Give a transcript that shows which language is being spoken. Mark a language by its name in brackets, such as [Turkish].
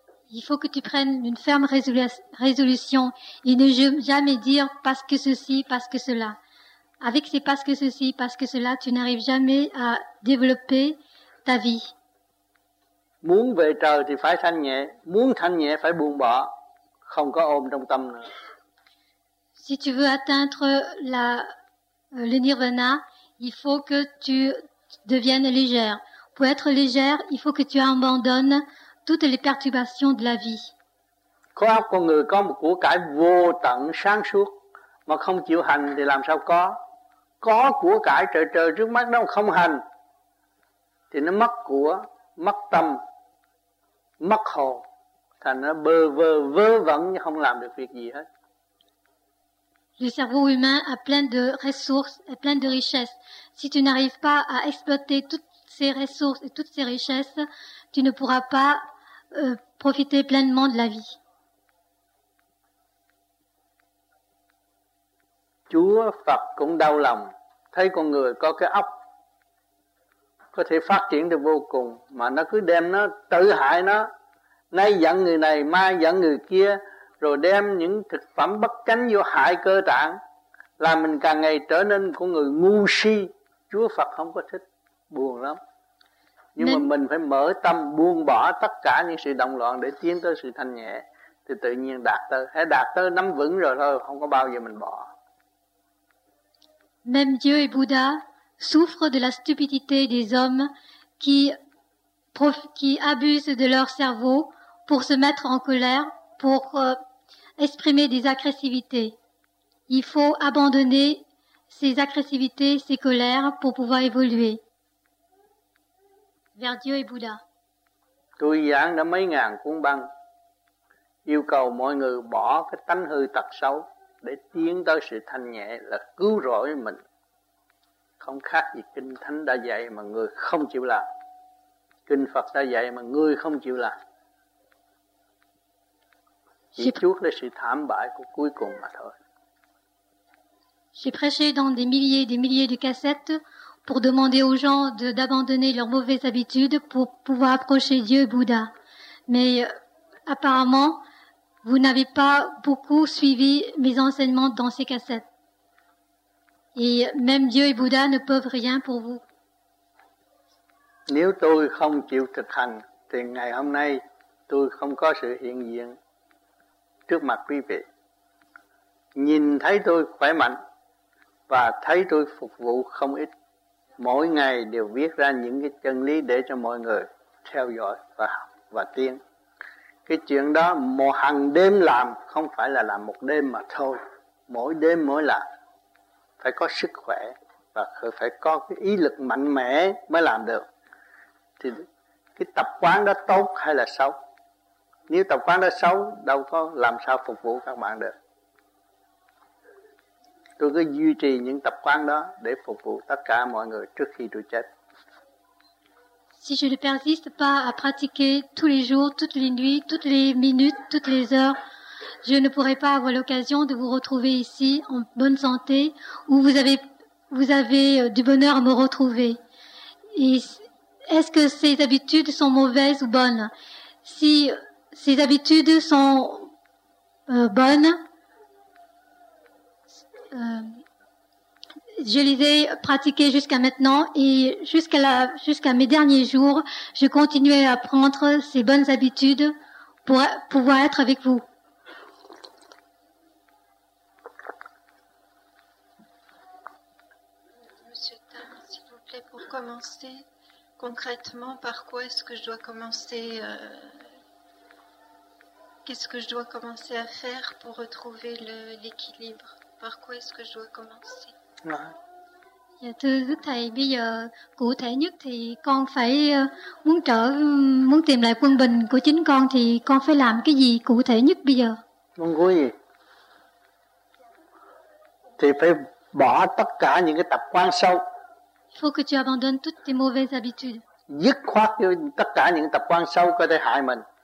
[French] Il faut que tu prennes une ferme résolution et ne jamais dire parce que ceci, parce que cela. Avec ces parce que ceci, parce que cela, tu n'arrives jamais à développer ta vie. [Vietnamese] Muốn về trời thì phải thanh nhẹ, muốn thanh nhẹ phải buông bỏ, không có ôm trong tâm nữa. [French] Si tu veux atteindre le nirvana, il faut que tu deviennes légère. Pour être légère, il faut que tu abandonnes toutes les perturbations de la vie. [Vietnamese] Có óc con người có một của cải vô tận sáng suốt, mà không chịu hành thì làm sao có? Có của cải trời trời trước mắt đó mà không hành, thì nó mất của, mất tâm, mất hồn, thành nó bơ vơ vơ vẩn như không làm được việc gì hết. [French] Le cerveau humain a plein de ressources, a plein de richesses. Si tu n'arrives pas à exploiter toutes ces ressources et toutes ces richesses, tu ne pourras pas profiter pleinement de la vie. [Vietnamese] Chúa Phật cũng đau lòng thấy con người có cái óc có thể phát triển được vô cùng mà nó cứ đem nó tự hại nó, nay giận người này mai giận người kia, rồi đem những thực phẩm bất chánh vô hại cơ tạng, làm mình càng ngày trở nên con người ngu si. Chúa Phật không có thích, buồn lắm. Nhưng mà mình phải mở tâm buông bỏ tất cả những sự động loạn để tiến tới sự thanh nhẹ. Thì tự nhiên đạt tới, hãy đạt tới nắm vững rồi thôi, không có bao giờ mình bỏ. [French] Même Dieu et Bouddha souffrent de la stupidité des hommes qui abusent de leur cerveau pour se mettre en colère, pour exprimer des agressivités. Il faut abandonner ces agressivités, ces colères pour pouvoir évoluer. Vers Dieu et Bouddha. [Vietnamese] Tôi giảng đã mấy ngàn cuốn băng, yêu cầu mọi người bỏ cái tánh hư tật xấu để tiến tới sự thanh nhẹ là cứu rỗi mình. Không khác gì kinh thánh đã dạy mà người không chịu làm. Kinh Phật đã dạy mà người không chịu làm. Chỉ chuốc là sự thảm bại của cuối cùng mà thôi. [French] J'ai prêché dans des milliers de cassettes pour demander aux gens d'abandonner leurs mauvaises habitudes pour pouvoir approcher Dieu et Bouddha. Mais apparemment, vous n'avez pas beaucoup suivi mes enseignements dans ces cassettes. Et même Dieu et Bouddha ne peuvent rien pour vous. [Vietnamese] Nếu tôi không chịu thực hành, thì ngày hôm nay tôi không có sự hiện diện trước mặt quý vị. Nhìn thấy tôi khỏe mạnh và thấy tôi phục vụ không ít. Mỗi ngày đều viết ra những cái chân lý để cho mọi người theo dõi và học và tiến. Cái chuyện đó một hàng đêm làm, không phải là làm một đêm mà thôi. Mỗi đêm mỗi làm, phải có sức khỏe và phải có cái ý lực mạnh mẽ mới làm được. Thì cái tập quán đó tốt hay là xấu? Nếu tập quán đó xấu, đâu có làm sao phục vụ các bạn được. Tôi cứ duy trì những tập quán đó để phục vụ tất cả mọi người trước khi tôi chết. [French] Si je ne persiste pas à pratiquer tous les jours, toutes les nuits, toutes les minutes, toutes les heures, je ne pourrai pas avoir l'occasion de vous retrouver ici en bonne santé où vous avez du bonheur à me retrouver. Et est-ce que ces habitudes sont mauvaises ou bonnes? Si ces habitudes sont bonnes, je les ai pratiquées jusqu'à maintenant et jusqu'à mes derniers jours, je continuais à prendre ces bonnes habitudes pour pouvoir être avec vous. Monsieur Tam, s'il vous plaît, pour commencer concrètement, par quoi est-ce que je dois commencer qu'est-ce que je dois commencer à faire pour retrouver l'équilibre? Par quoi est-ce que je dois commencer? [Vietnamese] Thưa Đức Thầy, bây giờ cụ thể nhất thì con phải muốn tìm lại quân bình của chính con thì con phải làm cái gì cụ thể nhất bây giờ? Muốn có gì? Thì phải bỏ tất cả những cái tập quán xấu. [French] Faut que tu abandonnes toutes tes mauvaises habitudes. [Vietnamese] Dứt khoát tất cả những tập quán xấu có thể hại mình.